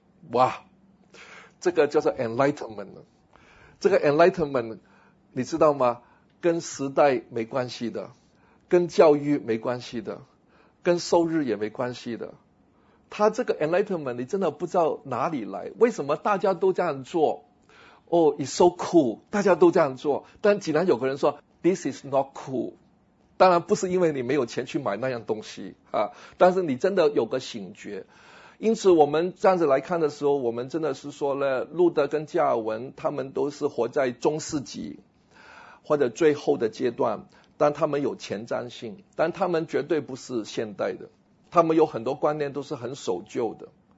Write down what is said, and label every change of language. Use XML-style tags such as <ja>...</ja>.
<zh>哇，这个叫做 enlightenment 了。这个 enlightenment 你知道吗？跟时代没关系的，跟教育没关系的，跟收入也没关系的。他这个 enlightenment 你真的不知道哪里来，为什么大家都这样做？</zh> <en>Oh, it's so cool,</en> <zh>大家都这样做，但竟然有个人说</zh> <en>this is not cool。</en> <zh>当然不是因为你没有钱去买那样东西啊，但是你真的有个醒觉。因此我们这样子来看的时候，我们真的是说了，路德跟加尔文他们都是活在中世纪或者最后的阶段，但他们有前瞻性，但他们绝对不是现代的，他们有很多观念都是很守旧的。</zh>